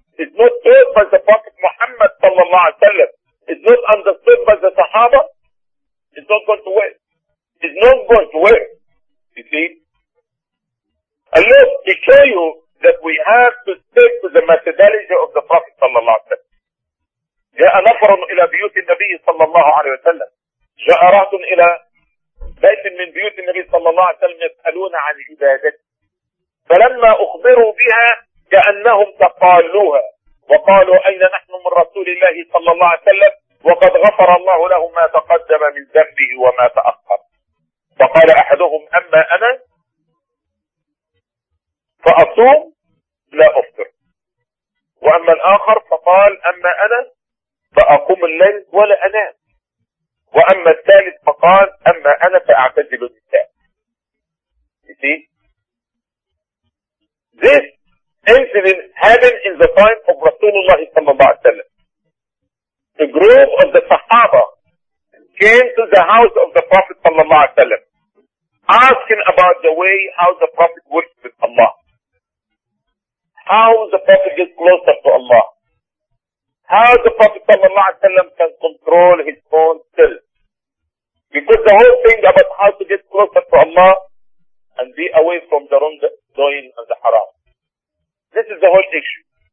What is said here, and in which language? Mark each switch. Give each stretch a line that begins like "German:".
English: It's not taught by the Prophet Muhammad sallallahu alaihi wasallam. It's not understood by the Sahaba. It's not going to work. It's not going to work. You see? Allah to show you that we have to stick to the methodology of the Prophet sallallahu alaihi wasallam.
Arabic: جاء نفر إلى بيوت النبي صلى الله عليه وسلم. جاء رات إلى بيت من بيوت النبي صلى الله عليه وسلم يسألون عن عبادته. فلما أخبروا بها كأنهم تقالوها وقالوا أين نحن من رسول الله صلى الله عليه وسلم وقد غفر الله له ما تقدم من ذنبه وما تأخر. فقال أحدهم أما أنا فأصوم لا أفطر، وأما الآخر فقال أما أنا فأقوم الليل ولا أنام، وأما الثالث فقال أما أنا فأعتزل النساء.
English: This incident happened in the time of Rasulullah sallallahu alaihi wasallam. The group of the Sahaba came to the house of the Prophet sallallahu alaihi wasallam, asking about the way how the Prophet worshipped Allah, how the Prophet gets closer to Allah, how the Prophet sallallahu alaihi wasallam can control his own self, because the whole thing about how to get closer to Allah and be away from the wrong doing and the haram. This is the whole issue.